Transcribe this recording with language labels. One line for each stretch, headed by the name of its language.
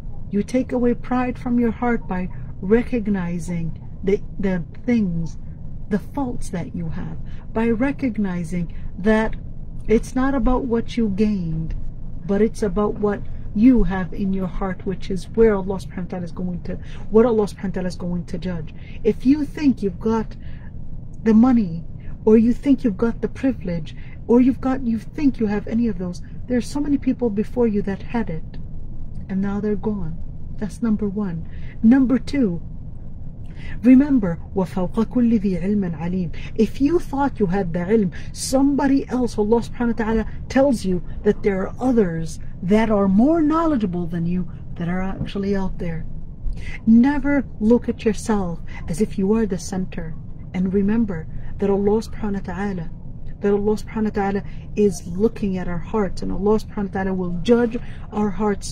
English: You take away pride from your heart by recognizing the things, the faults that you have, by recognizing that it's not about what you gained, but it's about what you have in your heart, which is where Allah subhanahu wa ta'ala is going to, what Allah subhanahu wa ta'ala is going to judge. If you think you've got the money, or you think you've got the privilege, or you think you have any of those, there are so many people before you that had it, and now they're gone. That's number one. Number two, remember,
Arabic: وَفَوْقَ كُلِّ ذِي عِلْمٍ عَلِيمٍ.
English: If you thought you had the ilm, somebody else, Allah subhanahu wa ta'ala, tells you that there are others that are more knowledgeable than you that are actually out there. Never look at yourself as if you are the center. And remember that Allah subhanahu wa ta'ala, that Allah subhanahu wa ta'ala is looking at our hearts, and Allah subhanahu wa ta'ala will judge our hearts.